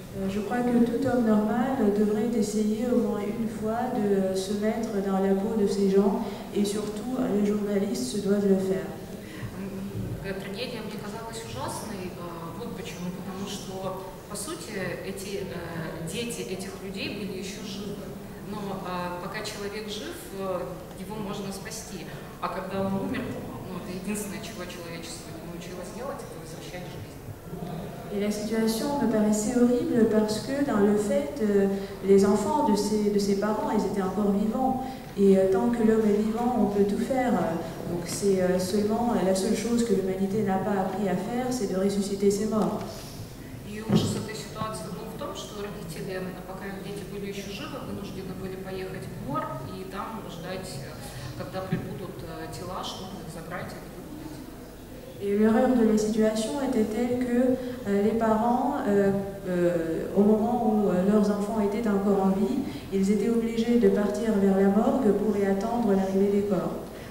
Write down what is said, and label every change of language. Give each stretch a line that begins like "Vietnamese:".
French: Je crois que tout homme normal devrait essayer au moins une fois de se mettre dans la peau de ces gens, et surtout les journalistes se doivent le faire. La tragédie me
Russian: казалась ужасной. Вот почему. Потому что, по сути, эти дети этих людей были еще живы. Но пока человек жив, его можно спасти. А когда он умер, это единственное, чего человечество не научилось делать, это возвращать жизнь.
French: Et la situation me paraissait horrible parce que dans le fait, les enfants de ses parents, ils étaient encore vivants. Et tant que l'homme est vivant, on peut tout faire. Donc c'est seulement la seule chose que l'humanité n'a pas appris à faire, c'est de ressusciter ses morts. Et l'ouche de cette situation était en
Russian: том, что родители, пока дети были еще живы, вынуждены были поехать в морг и там ждать, когда прибудут тела, чтобы их забрать.
French: Et l'horreur de la situation était telle que les parents, au moment où leurs enfants étaient encore en vie, ils étaient obligés de partir vers la morgue pour y attendre l'arrivée des corps.